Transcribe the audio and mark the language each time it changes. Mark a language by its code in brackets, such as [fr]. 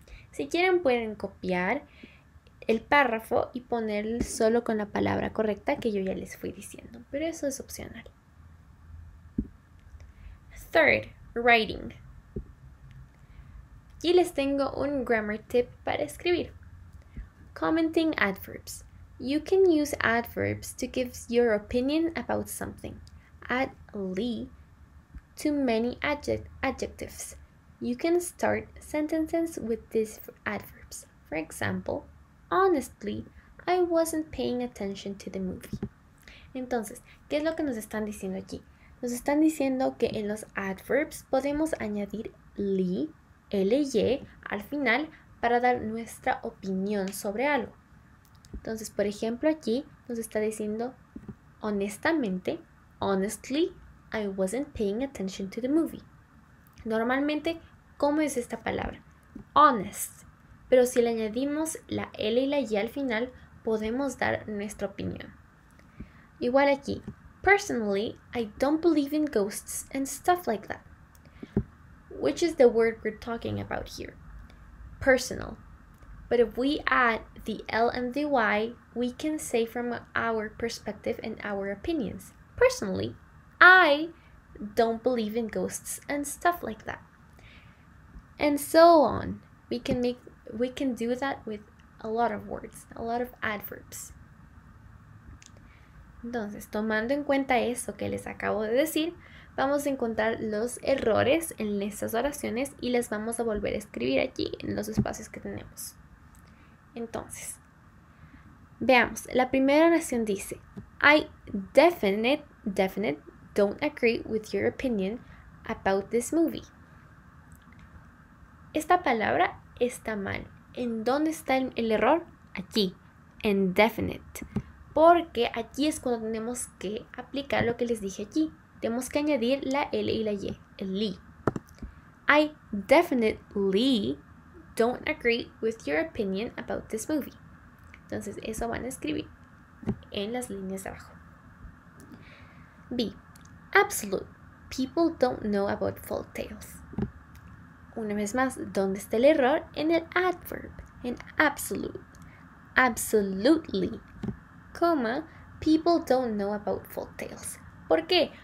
[es] Si quieren, pueden copiar el párrafo y ponerlo solo con la palabra correcta que yo ya les fui diciendo, pero eso es opcional. [en] Third, writing. [es] Aquí les tengo un grammar tip para escribir. [en] Commenting adverbs. You can use adverbs to give your opinion about something. Add "ly" to many adjectives. You can start sentences with these adverbs. For example, honestly, I wasn't paying attention to the movie. [es] Entonces, ¿qué es lo que nos están diciendo aquí? Nos están diciendo que en los adverbs podemos añadir "ly", L-Y, al final para dar nuestra opinión sobre algo. Entonces, por ejemplo, aquí nos está diciendo honestamente, [en] honestly, I wasn't paying attention to the movie. [es] Normalmente, ¿cómo es esta palabra? Honest. Pero si le añadimos la L y la Y al final, podemos dar nuestra opinión. Igual aquí, [en] personally, I don't believe in ghosts and stuff like that. Which is the word we're talking about here? Personal. But if we add the L and the Y, we can say from our perspective and our opinions. Personally, I don't believe in ghosts and stuff like that. And so on. We can do that with a lot of words, a lot of adverbs. [es] Entonces, tomando en cuenta eso que les acabo de decir, vamos a encontrar los errores en estas oraciones y las vamos a volver a escribir aquí en los espacios que tenemos. Entonces, veamos. La primera oración dice, [en] I definite don't agree with your opinion about this movie. [es] Esta palabra está mal. ¿En dónde está el error? Aquí, en definite. Porque aquí es cuando tenemos que aplicar lo que les dije aquí. Tenemos que añadir la L y la Y, el li. [en] I definitely don't agree with your opinion about this movie. [es] Entonces, eso van a escribir en las líneas de abajo. [en] B. Absolute. People don't know about folk tales. [es] Una vez más, ¿dónde está el error? En el adverb, en absolute. [en] Absolutely. Coma, people don't know about folk tales. [es] ¿Por qué?